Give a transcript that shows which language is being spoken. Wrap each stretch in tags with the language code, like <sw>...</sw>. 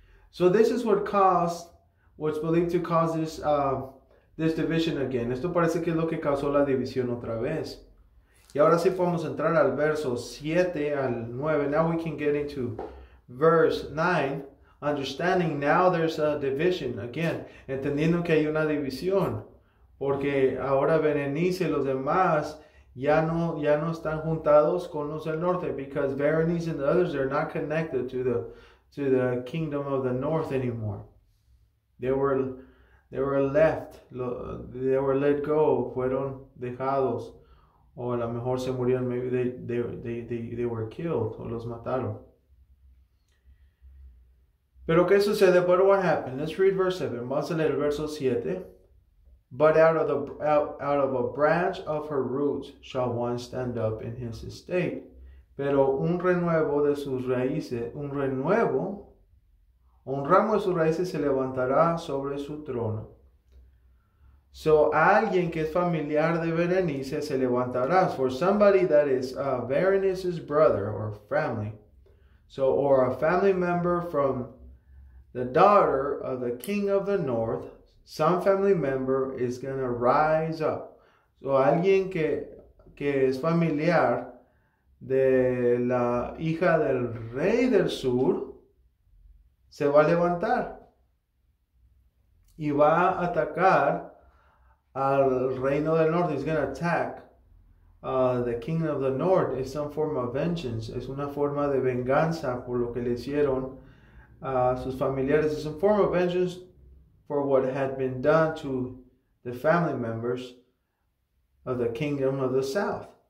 <en>So this is what's believed to cause this division again.</en> <es>Esto parece que es lo que causó la división otra vez. Y ahora sí podemos entrar al verso 7 al 9.</es> <en>Now we can get into verse 9. Understanding now there's a division again.</en> <es>Entendiendo que hay una división. Porque ahora Berenice y los demás ya no están juntados con los del norte.</es> <en>Because Berenice and the others are not connected to the kingdom of the north anymore. They were left. They were let go.</en> <es>Fueron dejados. O a lo mejor se murieron.</es> <en>Maybe they were killed.</en> <es>O los mataron. Pero qué sucede?</es> <en>But what happened? Let's read verse 7.</en> <es>Vamos a leer el verso 7.</es> <en>But out of a branch of her roots shall one stand up in his estate.</en> <es>Pero un renuevo de sus raíces, un ramo de sus raíces se levantará sobre su trono. So alguien que es familiar de Berenice se levantará.</es> <en>For somebody that is Berenice's brother or family. So or a family member from the daughter of the king of the north, some family member is going to rise up.</en> <es>So alguien que es familiar de la hija del rey del sur se va a levantar y va a atacar al reino del norte.</es> <en>He's going to attack the king of the north. It's some form of vengeance.</en> <es>Es una forma de venganza por lo que le hicieron sus familiares.</es> <en>It's a form of vengeance for what had been done to the family members of the kingdom of the south.</en>